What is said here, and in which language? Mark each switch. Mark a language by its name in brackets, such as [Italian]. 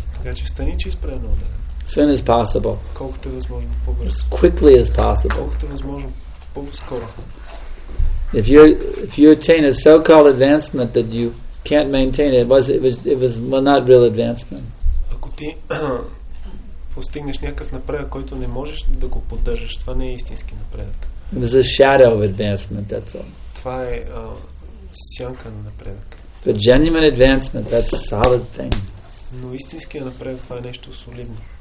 [Bulgarian] Така че стани чист преданен. [English] As soon as possible. [Bulgarian] Колкото е възможно по-бързо. [English] As quickly as possible. [Bulgarian] Колкото е възможно по-скоро. [English] If you attain a so-called advancement that you can't maintain it, it was not real advancement. [Bulgarian] Ако ти постигнеш някакъв напредък, който не можеш да го поддържаш, това не е истински напредък. [English] It was a shadow of advancement, that's all. [Bulgarian] Това е сянка на напредък. [English] But genuine advancement, that's a solid thing. [Bulgarian] Но истинския напредък, това е нещо солидно.